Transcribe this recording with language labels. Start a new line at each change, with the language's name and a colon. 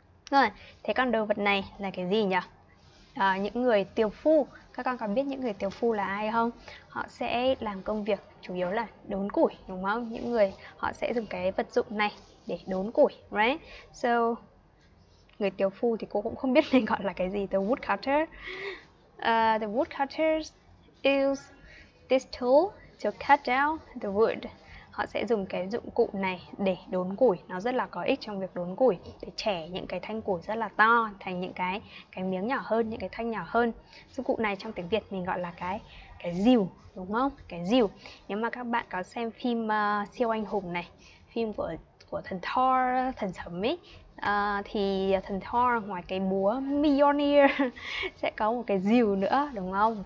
Vietnamese: Rồi, thế con đồ vật này là cái gì nhỉ? À, những người tiều phu, các con có biết những người tiều phu là ai không? Họ sẽ làm công việc chủ yếu là đốn củi đúng không? Những người họ sẽ dùng cái vật dụng này để đốn củi, right? So người tiều phu thì cô cũng không biết nên gọi là cái gì.
English: The woodcutter, the woodcutters use this tool to cut down the wood.
Vietnamese: Họ sẽ dùng cái dụng cụ này để đốn củi. Nó rất là có ích trong việc đốn củi, để chẻ những cái thanh củi rất là to thành những cái miếng nhỏ hơn, những cái thanh nhỏ hơn. Dụng cụ này trong tiếng Việt mình gọi là cái rìu đúng không? Cái rìu. Nếu mà các bạn có xem phim siêu anh hùng này, phim của thần Thor, thần sấm ấy, thì thần Thor ngoài cái búa Mjolnir sẽ có một cái rìu nữa đúng không?